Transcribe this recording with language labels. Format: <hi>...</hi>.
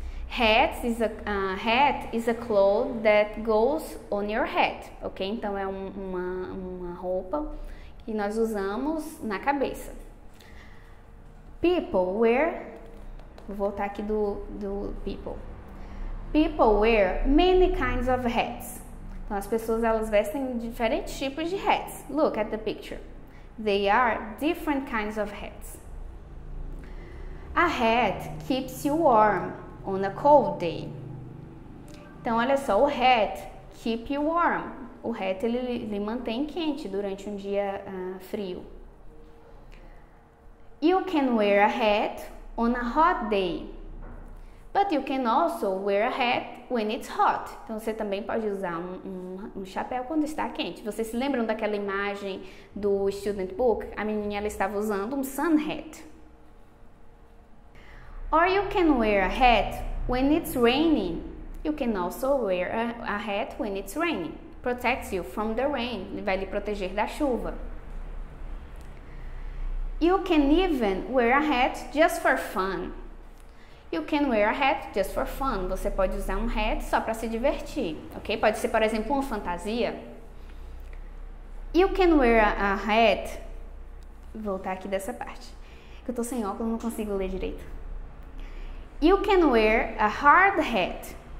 <en>Hat is a cloth that goes on your head, okay?</en> <pt>Então, é uma roupa que nós usamos na cabeça.</pt> <en>People wear...</en> <pt>Vou voltar aqui do people.</pt> <en>People wear many kinds of hats.</en> <pt>Então, as pessoas, elas vestem diferentes tipos de hats.</pt> <en>Look at the picture. They are different kinds of hats. A hat keeps you warm on a cold day.</en> <pt>Então, olha só, o hat</pt> <en>keep you warm.</en> <pt>O hat, ele mantém quente durante um dia frio.</pt> <en>You can wear a hat on a hot day. But you can also wear a hat when it's hot.</en> <pt>Então, você também pode usar um chapéu quando está quente. Vocês se lembram daquela imagem do student book? A menina, ela estava usando um sun hat.</pt> <en>Or you can wear a hat when it's raining. You can also wear a hat when it's raining. Protects you from the rain.</en> <pt>Ele vai lhe proteger da chuva.</pt> <en>You can even wear a hat just for fun. You can wear a hat just for fun.</en> <pt>Você pode usar um hat só para se divertir, ok? Pode ser, por exemplo, uma fantasia.</pt> <en>You can wear a hat...</en> <pt>Vou voltar aqui dessa parte. Eu tô sem óculos, não consigo ler direito.</pt> <en>You can wear a hard hat.</en>